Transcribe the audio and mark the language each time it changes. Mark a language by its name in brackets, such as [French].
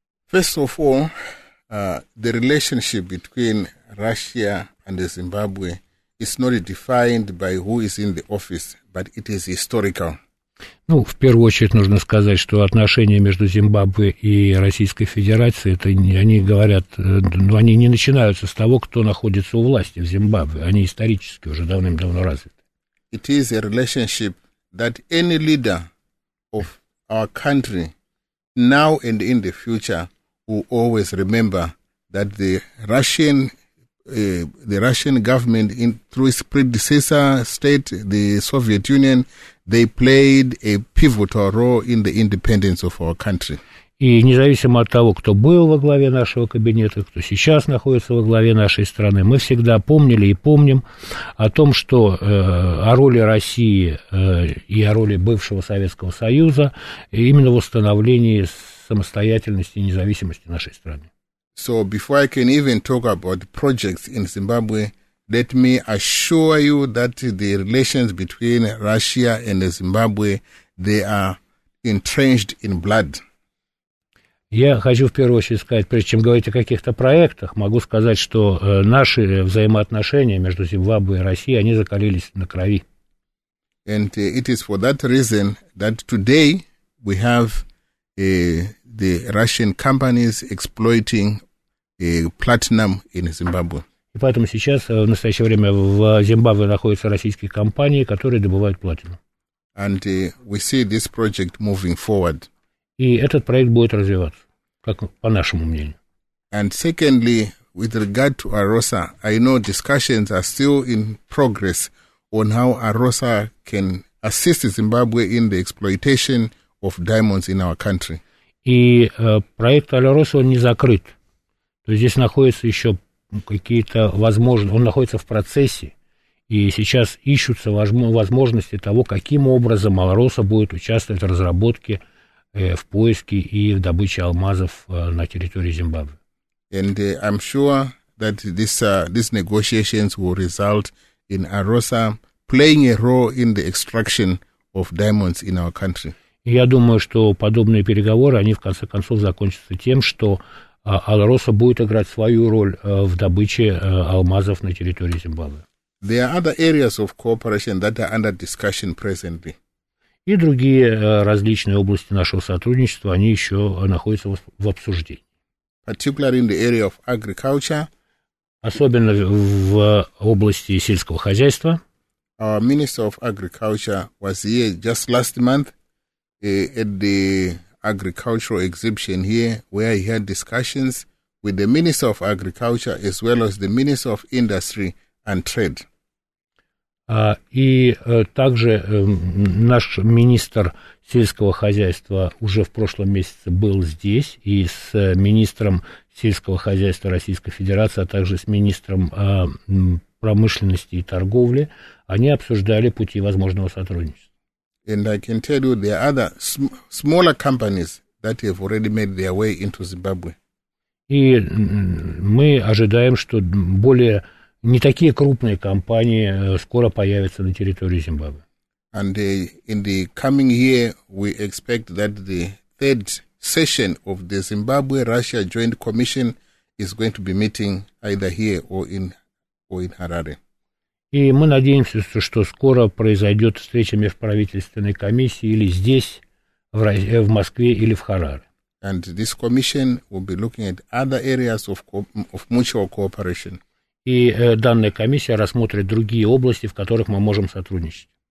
[English] First of all, the relationship between Russia and Zimbabwe is not defined by who is in the office, but it is historical. [Russian] Ну, в первую очередь нужно сказать, что отношения между Зимбабве и Российской Федерацией, это они говорят, ну, они не начинаются с того, кто находится у власти в Зимбабве, они исторически уже давным-давно развиты. [English] It is a relationship that any leader of our country now and in the future will always remember that the Russian government, in through its predecessor state, the Soviet Union, they played a pivotal role in the independence of our country. [Russian] И независимо от того, кто был во главе нашего кабинета, кто сейчас находится во главе нашей страны, мы всегда помнили и помним о том, что о роли России и о роли бывшего Советского Союза именно в установлении самостоятельности и независимости нашей страны. [English] So before I can even talk about projects in Zimbabwe, let me assure you that the relations between Russia and Zimbabwe, they are entrenched in blood. [Russian] Я хочу в первую очередь сказать, прежде чем говорить о каких-то проектах, могу сказать, что наши взаимоотношения между Зимбабве и Россией, они закалились на крови. [English] And it is for that reason that today we have the Russian companies exploiting platinum in Zimbabwe. [Russian] И поэтому сейчас, в настоящее время, в Зимбабве находятся российские компании, которые добывают платину. [English] And we see this project moving forward. [Russian] И этот проект будет развиваться, как по нашему мнению. [English] And secondly, with regard to AROSA, I know discussions are still in progress on how AROSA can assist Zimbabwe in the exploitation of diamonds in our country. [Russian] И проект AROSA, он не закрыт. То есть здесь находятся еще какие-то возможности. Он находится в процессе, и сейчас ищутся возможности того, каким образом AROSA будет участвовать в разработке в поиске и в добыче алмазов на территории Зимбабве. [English] And I'm sure that these negotiations will result in AROSA playing a role in the extraction of diamonds in our country. [Russian] Я думаю, что подобные переговоры, они в конце концов закончатся тем, что AROSA будет играть свою роль в добыче алмазов на территории Зимбабве. [English] There are other areas of cooperation that are under discussion presently. [Russian] И другие различные области нашего сотрудничества, они еще находятся в обсуждении. [English] Particularly in the area of agriculture. [Russian] Особенно в области сельского хозяйства. [English] Our Minister of Agriculture was here just last month at the agricultural exhibition here, where he had discussions with the Minister of Agriculture as well as the Minister of Industry and Trade. [Russian] И также наш министр сельского хозяйства уже в прошлом месяце был здесь и с министром сельского хозяйства Российской Федерации, а также с министром промышленности и торговли, они обсуждали пути возможного сотрудничества. [English] And I can tell you there are other smaller companies that have already made their way into Zimbabwe. [Russian] И мы ожидаем, что более не такие крупные компании скоро появятся на территории Зимбабве. [English] And in the coming year, we expect that the third session of the Zimbabwe-Russia Joint Commission is going to be meeting either here or in Harare. [Russian] И мы надеемся, что скоро произойдет встреча межправительственной комиссии или здесь, в Москве, или в Хараре. [English] And this commission will be looking at other areas of mutual cooperation. [Russian] И данная комиссия рассмотрит другие области, в которых мы можем сотрудничать.